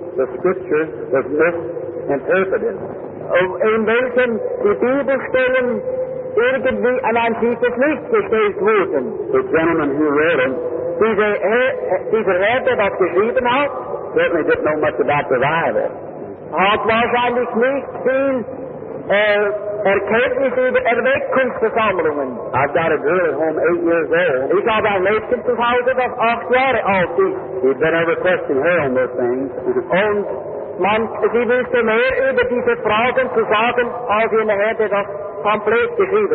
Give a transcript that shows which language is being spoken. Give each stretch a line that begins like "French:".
English: The scripture was misinterpreted.
German: In welchem die Bibelstellen irgendwie an ein tiefes Licht gestellt wurden.
English: The gentleman who read them,
German: dieser Herr, der das geschrieben hat,
English: certainly didn't know much about the Bible.
German: Hat wahrscheinlich nicht viel Erkenntnis über Erweckungsversammlungen.
English: I've got a girl at home 8 years old.
German: Ich habe ein Mädchen zu Hause, das 8 Jahre alt ist.
English: You'd better question her on those things.
German: Und sie wüsste mehr über diese Fragen zu sagen, als jemand hätte das komplett geschrieben.